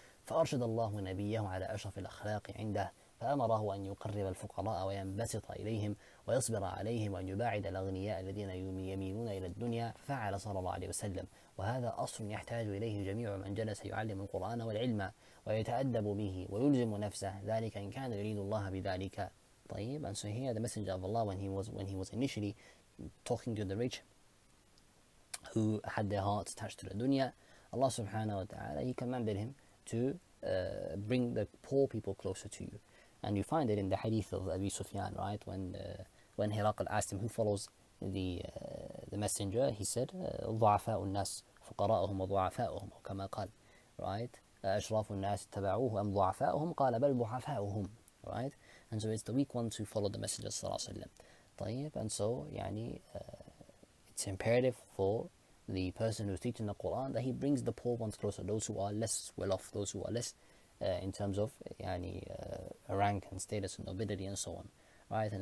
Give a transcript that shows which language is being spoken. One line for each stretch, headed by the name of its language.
Arabic: فأرشد الله نبيه على أشرف الأخلاق عنده فأمره أن يقرب الفقراء وينبسط إليهم ويصبر عليهم وأن يباعد الأغنياء الذين يميلون إلى الدنيا. فعل صلى الله عليه وسلم, وهذا أصل يحتاج إليه جميع من جلس يعلم القرآن والعلم ويتأدب به ويلزم نفسه ذلك إن كان يريد الله بذلك.
English: طيب, and so here the messenger of Allah when he was initially talking to the rich who had their hearts attached to the dunya, Allah subhanahu wa ta'ala, he commanded him to bring the poor people closer to you. And you find it in the hadith of Abi Sufyan, right? When Hiraql asked him who follows the messenger, he said,
Arabic: ضعفاء الناس فقراءهم وضعفاءهم كما قال,
English: right?
Arabic: أشراف الناس تبعوه أم ضعفاءهم قال بل ضعفاءهم, right?
English: And so it's the weak ones who follow the messenger صلى الله عليه وسلم. طيب, and so يعني it's imperative for the person who's teaching the Quran that he brings the poor ones closer, those who are less well off, those who are less in terms of يعني rank and status and nobility and so on, right?